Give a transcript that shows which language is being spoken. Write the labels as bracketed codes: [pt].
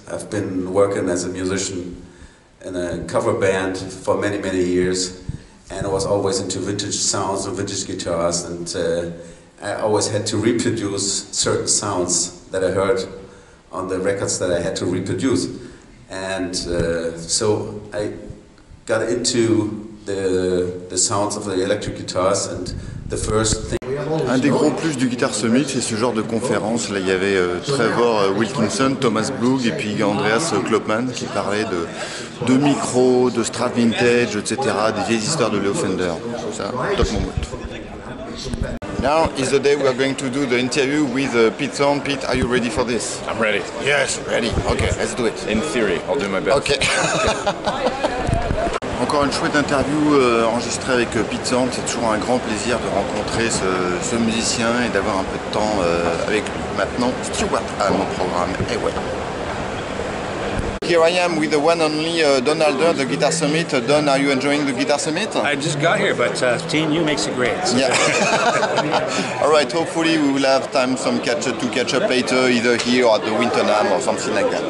[en] I've been working as a musician in a cover band for many, many years, and I was always into vintage sounds and vintage guitars, and I always had to reproduce certain sounds that I heard on the records that I had to reproduce. And so I got into the sounds of the electric guitars, and the first thing. [fr] Un des gros plus du Guitar Summit, c'est ce genre de conférence. Là, il y avait Trevor Wilkinson, Thomas Bloug et puis Andreas Kloppmann qui parlaient de micros, de Strat Vintage, etc., des vieilles histoires de Leo Fender. Ça, top moment. [en] Now is the day we are going to do the interview with Pete Thorne. Pete, are you ready for this? I'm ready. Yes, ready. Okay, let's do it. In theory, I'll do my best. Okay. [fr] Encore une chouette interview enregistrée avec Pete Thorne. C'est toujours un grand plaisir de rencontrer ce musicien et d'avoir un peu de temps avec lui. Maintenant, Stewart à mon programme. Eh ouais. [en] Here I am with the one only Donalder, the Guitar Summit. Don, are you enjoying the Guitar Summit? I just got here, but Team U makes it great. So yeah. All right, hopefully we will have time to catch up later, either here or at the Winterham or something like that.